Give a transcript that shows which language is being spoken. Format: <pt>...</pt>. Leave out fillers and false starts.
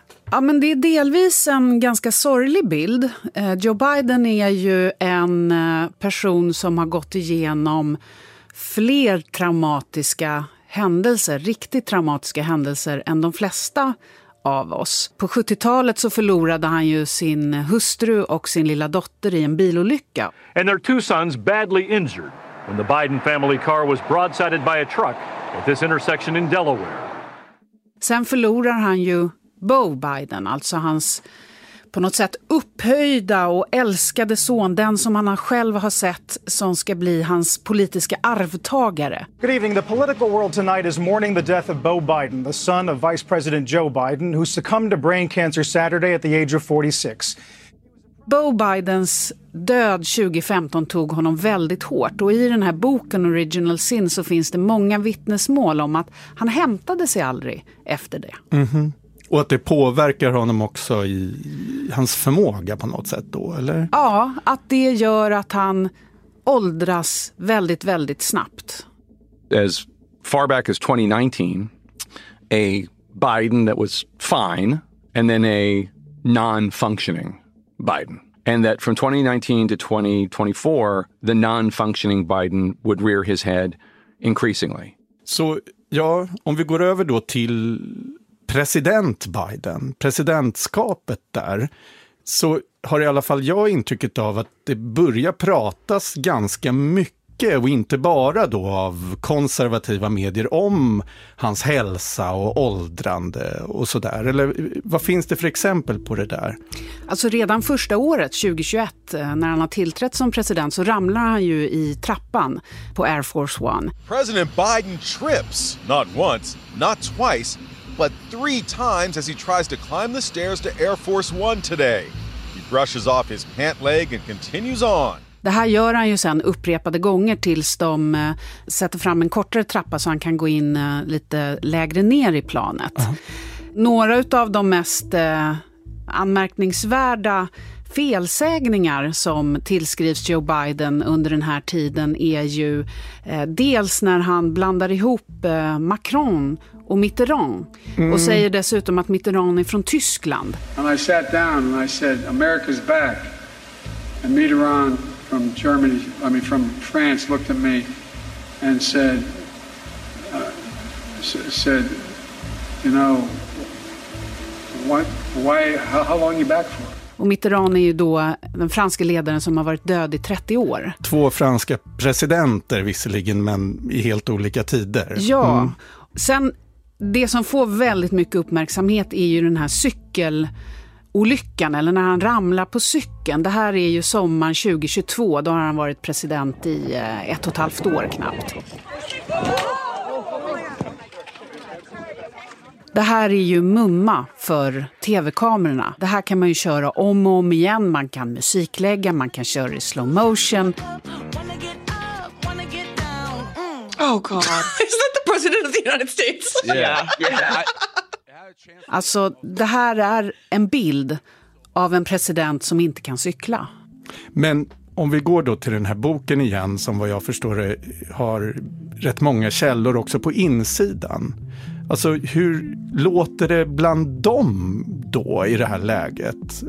<sv>Ja, men det är delvis en ganska sorglig bild. Joe Biden är ju en person som har gått igenom fler traumatiska händelser, riktigt traumatiska händelser än de flesta av oss. På 70-talet så förlorade han ju sin hustru och sin lilla dotter i en bilolycka.</sv> <en>And their two sons badly injured when the Biden family car was broadsided by a truck at this intersection in Delaware.</en> <sv>Sen förlorar han ju Beau Biden, alltså hans på något sätt upphöjda och älskade son, den som han själv har sett som ska bli hans politiska arvtagare.</sv> <en>Good evening. The political world tonight is mourning the death of Beau Biden, the son of Vice President Joe Biden, who succumbed to brain cancer Saturday at the age of 46.</en> <sv>Beau Bidens död 2015 tog honom väldigt hårt, och i den här boken Original Sin så finns det många vittnesmål om att han hämtade sig aldrig efter det. Mm-hmm. Och att det påverkar honom också i hans förmåga på något sätt då, eller? Ja, att det gör att han åldras väldigt, väldigt snabbt.</sv> <en>As far back as 2019, a Biden that was fine and then a non-functioning Biden. And that from 2019 to 2024, the non-functioning Biden would rear his head increasingly.</en> <sv>Så, ja, om vi går över då till president Biden, presidentskapet där, så har i alla fall jag intrycket av att det börjar pratas ganska mycket, och inte bara då av konservativa medier, om hans hälsa och åldrande och sådär. Eller vad finns det för exempel på det där? Alltså redan första året, 2021, när han har tillträtt som president, så ramlar han ju i trappan på Air Force One.</sv> <en>President Biden trips, not once, not twice, but 3 times as he tries to climb the stairs to Air Force One today. He brushes off his pant leg and continues on.</en> <sv>Det här gör han ju sen upprepade gånger tills de sätter fram en kortare trappa så han kan gå in lite lägre ner i planet. Uh-huh. Några av de mest anmärkningsvärda felsägningar som tillskrivs Joe Biden under den här tiden är ju dels när han blandar ihop Macron och Mitterrand och säger dessutom att Mitterrand är från Tyskland.</sv> <en>And I sat down and I said America's back. And Mitterrand from Germany, I mean from France looked at me and said said you know what, why, how long you back for?</en> <sv>Och Mitterrand är ju då den franska ledaren som har varit död i 30 år. Två franska presidenter visserligen, men i helt olika tider. Ja, sen det som får väldigt mycket uppmärksamhet är ju den här cykelolyckan, eller när han ramlar på cykeln. Det här är ju sommaren 2022, då har han varit president i 1,5 år knappt. Det här är ju mumma för tv-kamerorna. Det här kan man ju köra om och om igen. Man kan musiklägga, man kan köra i slow motion.</sv> <en>Oh god. Is that the president of the United States? Yeah.</en> <sv>Alltså, det här är en bild av en president som inte kan cykla. Men om vi går då till den här boken igen, som vad jag förstår har rätt många källor också på insidan. Alltså, hur låter det bland dem då i det här läget?</sv>